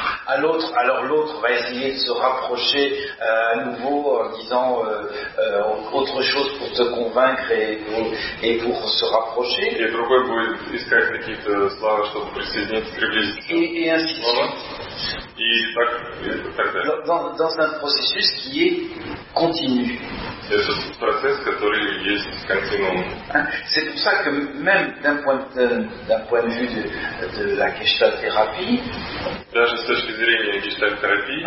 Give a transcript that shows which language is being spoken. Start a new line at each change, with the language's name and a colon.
French: Alors l'autre va essayer de se rapprocher à nouveau en disant autre chose pour te convaincre et pour se rapprocher. Et
Russian: другой будет искать какие-то слова, чтобы присоединиться, приблизиться.
French: Et ainsi de suite.
Russian: И так далее.
French: Dans un processus qui est continu.
Russian: Это процесс, который есть континуум.
French: C'est pour ça que même d'un point de vue de la gestalt-thérapie,
Russian: даже с точки зрения гештальт-терапии,